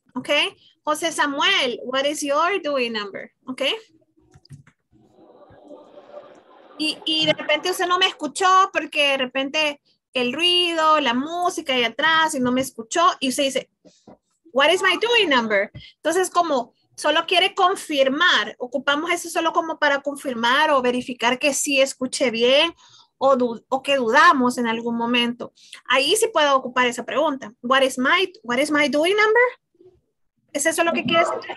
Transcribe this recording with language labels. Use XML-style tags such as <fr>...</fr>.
<en>Okay, José Samuel, what is your DUI number? Okay.</en> <es>Y de repente usted no me escuchó porque de repente el ruido, la música ahí atrás y no me escuchó. Y usted dice,</es> <en>what is my DUI number?</en> <es>Entonces como solo quiere confirmar, ocupamos eso solo como para confirmar o verificar que sí escuché bien. O que dudamos en algún momento. Ahí sí puedo ocupar esa pregunta.</es> <en>What is my DUI number?</en> <es>¿Es eso lo que quieres decir?</es>